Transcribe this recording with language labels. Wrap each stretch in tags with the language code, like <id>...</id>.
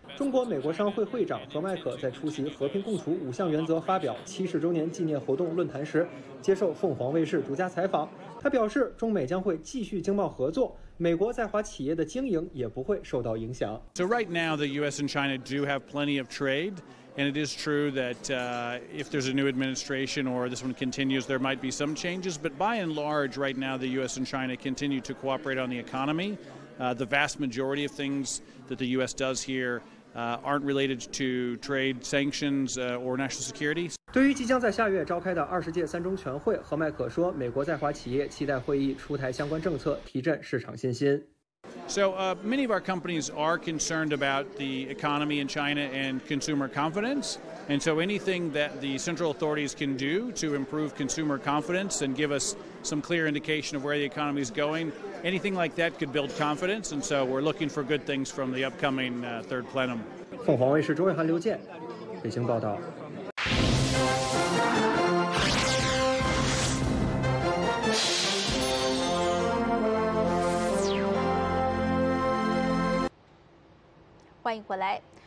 <zh>中国美国商会会长何迈可在出席和平共处五项原则发表70周年纪念活动论坛时，接受凤凰卫视独家采访。他表示，中美将会继续经贸合作，美国在华企业的经营也不会受到影响。</zh> <en>So right now, the U.S. and China do have plenty of trade. And it is true that if there's a new administration or this one continues, there might be some changes. But by and large, right now, the U.S. and China continue to cooperate on the economy. The vast majority of things that the U.S. does here aren't related to trade sanctions or national security.</en> <zh>对于即将在下月召开的20届三中全会，何迈可说，美国在华企业期待会议出台相关政策，提振市场信心。</zh> <en>So many of our companies are concerned about the economy in China and consumer confidence. And so anything that the central authorities can do to improve consumer confidence and give us some clear indication of where the economy is going, anything like that could build confidence. And so we're looking for good things from the upcoming third plenum.</en> <zh>凤凰卫视周伟涵、刘健，北京报道。欢迎回来。</zh>